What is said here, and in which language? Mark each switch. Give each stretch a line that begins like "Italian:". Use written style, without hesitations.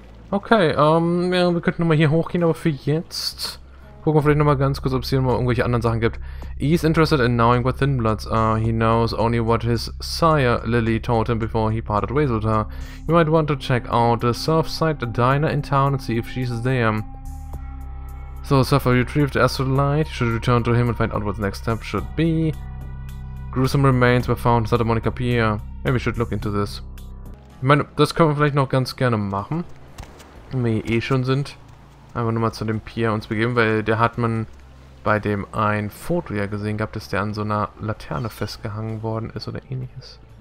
German: Okay, ja, wir könnten nochmal hier hochgehen, aber für jetzt gucken wir vielleicht nochmal ganz kurz, ob es hier nochmal irgendwelche anderen Sachen gibt.
English: He's interested in knowing what Thin Bloods are. He knows only what his sire, Lily, told him before he parted ways with her. You might want to check out the Surfside Diner in town and see if she's there. So, Surfer retrieved the astral light. You should return to him and find out what the next step should be. Gruesome remains were found in Santa Monica Pier. Maybe we should look into this.
German: Ich meine, das können wir vielleicht noch ganz gerne machen. Wenn wir hier eh schon sind. Einfach nochmal zu dem Pier uns begeben, weil der hat man bei dem ein Foto ja gesehen gehabt, dass der an so einer Laterne festgehangen worden ist oder ähnliches.